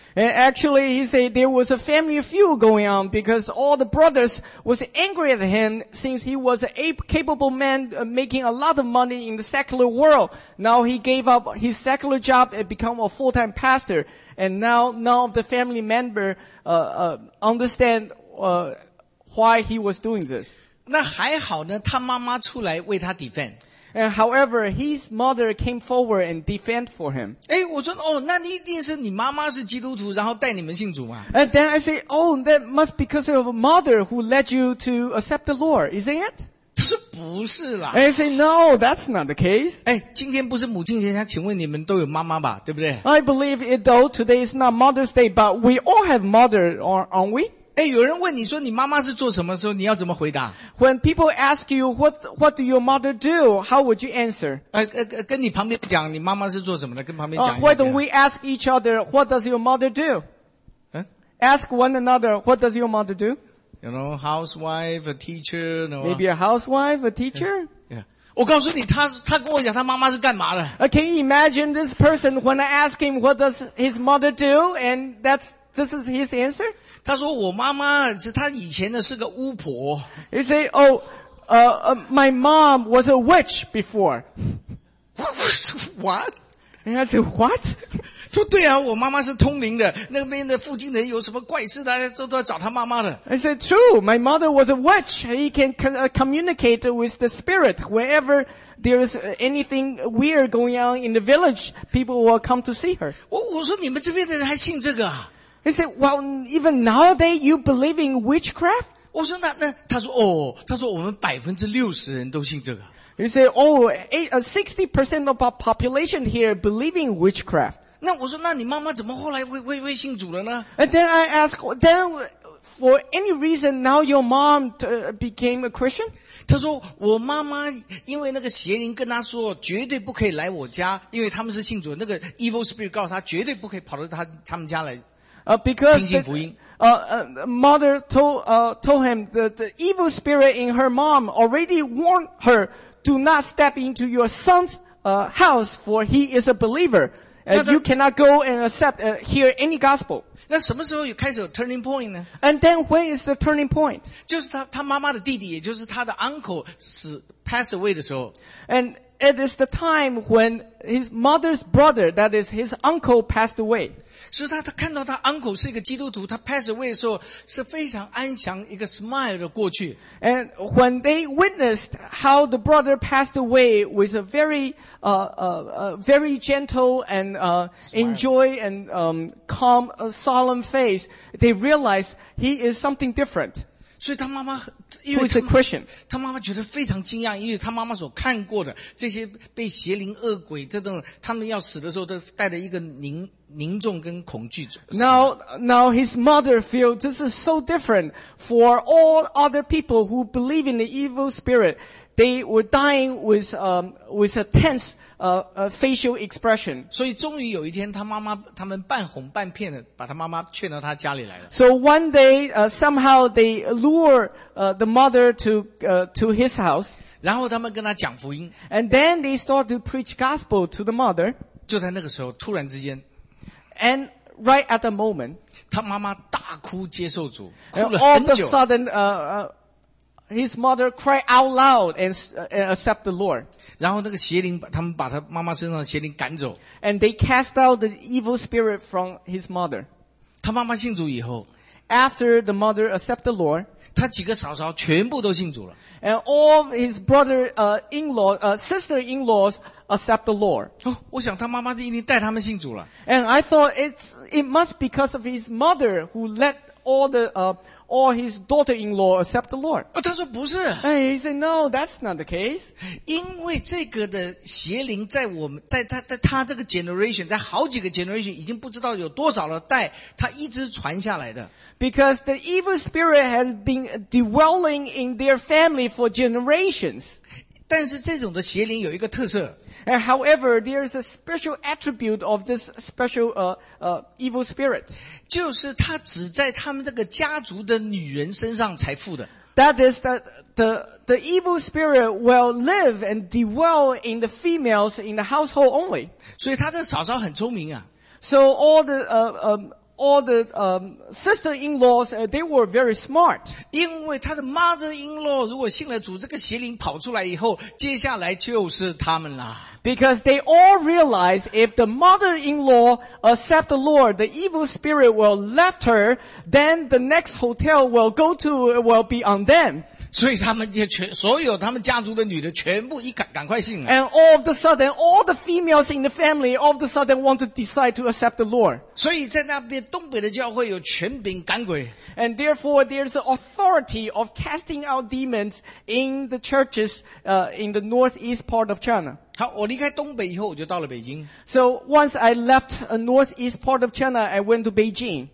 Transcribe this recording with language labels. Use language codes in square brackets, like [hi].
[en] And actually, he said there was a family feud going on because all the brothers was angry at him since he was a capable man making a lot of money in the secular world. Now he gave up his secular job and become a full-time pastor. And now none of the family member understand why he was doing this. [zh] 那还好呢，他妈妈出来为他 defend. [en] And however, his mother came forward and defend for him. [zh] 我说哦，那一定是你妈妈是基督徒，然后带你们信主嘛。 [en] And then I say, oh, that must be because of a mother who led you to accept the Lord, isn't it? [zh] 他说不是啦。 [en] And I say, no, that's not the case. [zh] 今天不是母亲节，请问你们都有妈妈吧，对不对？ [en] I believe it though, today is not Mother's Day, but we all have mother, aren't we? [zh] 有人问你说你妈妈是做什么的时候，你要怎么回答？ [en] When people ask you what do your mother do, how would you answer? [zh] 跟你旁边讲你妈妈是做什么的，跟旁边讲。 [en] Why don't we ask each other what does your mother do? Ask one another what does your mother do? You know, housewife, a teacher, you know? Maybe a housewife, a teacher? Yeah. [zh] 我告诉你，他跟我讲他妈妈是干嘛的。 [en] Can you imagine this person when I ask him what does his mother do and this is his answer? [zh] 他说我妈妈是他以前的是个巫婆。 [en] He said, oh, my mom was a witch before. What? And I said, what? [zh] 说对啊，我妈妈是通灵的，那边的附近人有什么怪事，大家都要找他妈妈的。 [en] I said, true, my mother was a witch. He can communicate with the spirit. Wherever there is anything weird going on in the village, people will come to see her. [zh] 我说你们这边的人还信这个啊。 [en] He said, well, even nowadays you believe in witchcraft? [zh] 我说那他说哦，他说我们60%人都信这个。 [en] He said, oh, 60% of our population here believe in witchcraft. [zh] 那我说那你妈妈怎么后来会信主了呢？ [en] And then I asked, then for any reason now your mom became a Christian? [zh] 他说我妈妈因为那个邪灵跟他说绝对不可以来我家，因为他们是信主，那个 [en] evil spirit [zh] 告诉他绝对不可以跑到他们家来听信福音。 [en] Mother told him that the evil spirit in her mom already warned her, do not step into your son's house, for he is a believer. And you cannot go and accept, hear any gospel. [zh] 那什么时候开始有 [en] turning point [zh] 呢? [en] And then when is the turning point? [zh] 就是他妈妈的弟弟，也就是他的 uncle 死 [en] pass away [zh] 的时候。 [en] And it is the time when his mother's brother, that is his uncle, passed away. [zh] 所以他看到他 uncle 是一个基督徒，他 [en] pass away [zh] 的时候是非常安详，一个 smile 的过去。 [en] And when they witnessed how the brother passed away with a very, very gentle and, enjoy and, calm, solemn face, they realized he is something different. [zh] 所以他妈妈 [en] Who is a Christian? [zh] 他妈妈觉得非常惊讶，因为他妈妈所看过的这些被邪灵恶鬼这种，他们要死的时候都带着一个凝重跟恐惧。 [en] Now his mother feels this is so different for all other people who believe in the evil spirit. They were dying with a tense facial expression. [zh] 所以终于有一天，他妈妈他们半哄半骗的把他妈妈劝到他家里来了。 [en] So one day, somehow they lure the mother to his house. [zh] 然后他们跟他讲福音。 [en] And then they start to preach gospel to the mother. [zh] 就在那个时候，突然之间。 [en] And right at the moment, [zh] 他妈妈大哭接受主，哭了很久。 [en] All of a sudden, his mother cried out loud and accept the Lord. [zh] 然后那个邪灵把他们把他妈妈身上的邪灵赶走。 [en] And they cast out the evil spirit from his mother. [zh] 他妈妈信主以后。 [en] After the mother accept the Lord. [zh] 他几个嫂嫂全部都信主了。 [en] And all of his sister-in-laws accept the Lord. [zh] 我想他妈妈一定带他们信主了。 [en] And I thought it must because of his mother who let all his daughter-in-law accept the Lord. [zh] 他说不是。 [en] And he said, no, that's not the case. [zh] 因为这个的邪灵在我们在他在他这个 generation, 在好几个 generation 已经不知道有多少了代他一直传下来的。 [en] Because the evil spirit has been dwelling in their family for generations. [zh] 但是这种的邪灵有一个特色。 [en] And however, there is a special attribute of this special, evil spirit. [zh] 就是他只在他们这个家族的女人身上才附的。 [en] That is that the evil spirit will live and dwell in the females in the household only. [zh] 所以他的嫂嫂很聪明啊。 [en] So all the sister-in-laws, they were very smart. [zh] 因为他的 mother-in-law 如果信了主，这个邪灵跑出来以后，接下来就是他们啦。 [en] Because they all realize if the mother-in-law accept the Lord, the evil spirit will left her, then the next hotel will go to will be on them. [zh] 所以他们也全所有他们家族的女的全部一赶快信了。 [en] And all of the sudden, all the females in the family all of the sudden want to decide to accept the Lord. [zh] 所以在那边东北的教会有权柄赶鬼。 [en] And therefore, there's an authority of casting out demons in the churches, in the northeast part of China. [zh] 好，我离开东北以后，我就到了北京。 [en] So once I left a northeast part of China, I went to Beijing.